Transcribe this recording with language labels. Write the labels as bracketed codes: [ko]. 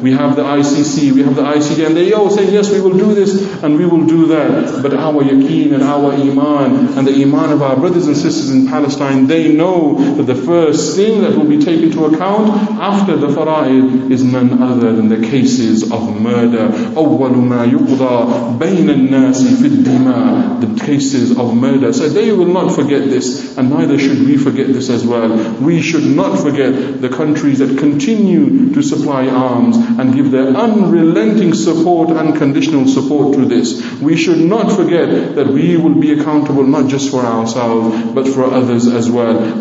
[en] We have the ICC, we have the ICJ, and they all say, yes, we will do this and we will do that. But our yaqeen and our iman and the iman of our brothers and sisters in Palestine, they know that the first thing that will be taken to account after the fara'id is none other than the cases of murder. [ar] أَوَّلُ مَا يُقْضَى بَيْنَ النَّاسِ فِي الدِّمَى, [en] the cases of murder. So they will not forget this, and neither should we forget this as well. We should not forget the countries that continue to supply arms and give their unrelenting support, unconditional support to this. We should not forget that we will be accountable not just for ourselves, but for others as well.